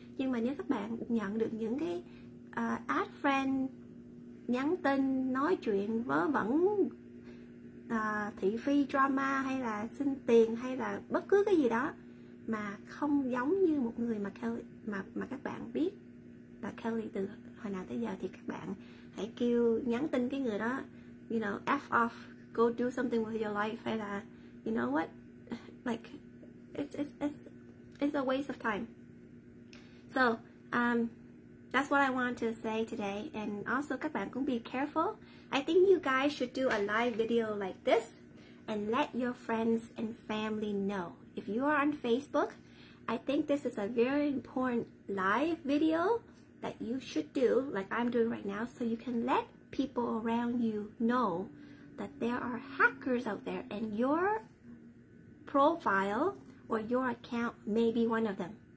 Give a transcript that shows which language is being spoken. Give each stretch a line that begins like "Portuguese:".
Vietnamese: Nhưng mà nếu các bạn nhận được những cái ad friend, nhắn tin, nói chuyện vớ vẩn, thị phi drama hay là xin tiền hay là bất cứ cái gì đó mà không giống như một người mà Kelly, mà các bạn biết là Kelly từ hồi nào tới giờ, thì các bạn hãy kêu nhắn tin cái người đó, you know,
English: F off, go do something with your life,
Vietnamese: hay là
English: you know what, like it's a waste of time. So that's what I want to say today. And also,
Vietnamese: các bạn cũng
English: be careful. I think you guys should do a live video like this and let your friends and family know. If you are on Facebook, I think this is a very important live video that you should do, like I'm doing right now, so you can let people around you know that there are hackers out there and your profile or your account may be one of them.